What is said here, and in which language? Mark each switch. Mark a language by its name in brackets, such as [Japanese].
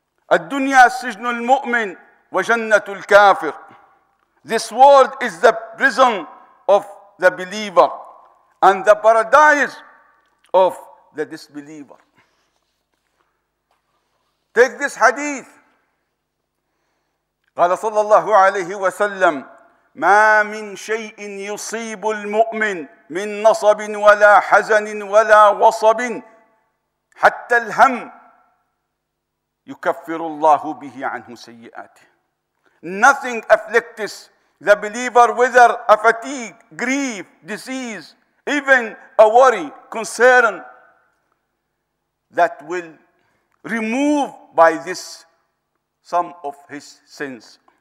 [Arabic] الدُّنْيَا سِجْنُ الْمُؤْمِنِ وَجَنَّةُ الْكَافِرِ [English] This world is the prison of the believer and the paradise of the disbeliever. Take this hadith. [Arabic] قال صلى الله عليه وسلم ما من شيء يصيب المؤمن من نصب ولا حزن ولا وصب حتى الهم يكفر الله به عنه سيئاته. [English] Nothing afflicts the believer, whether a fatigue, grief, disease, even a worry, concern, that will remove by this some of his sins.